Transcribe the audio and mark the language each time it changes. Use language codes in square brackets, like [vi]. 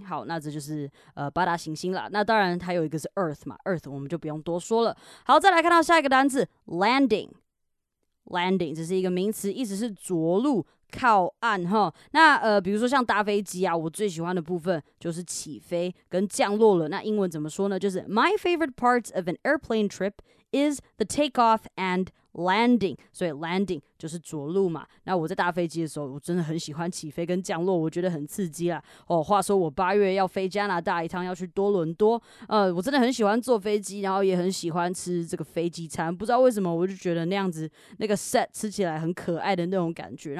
[zh] 好，那这就是八大行星啦。那当然他有一个是 Earth 嘛， Earth 我们就不用多说了。好，再来看到下一个单字 Landing， 这是一个名词，意思是着陆、靠岸哈。那比如说像搭飞机啊，我最喜欢的部分就是起飞跟降落了。那英文怎么说呢？就是 [en] My favorite part of an airplane trip is the takeoff and landing， [zh] 所以 landing 就是着陆嘛。那我在搭飞机的时候，我真的很喜欢起飞跟降落，我觉得很刺激啦。哦，话说我八月要飞加拿大一趟，要去多伦多。我真的很喜欢坐飞机，然后也很喜欢吃这个飞机餐。不知道为什么，我就觉得那样子那个 set 吃起来很可爱的那种感觉。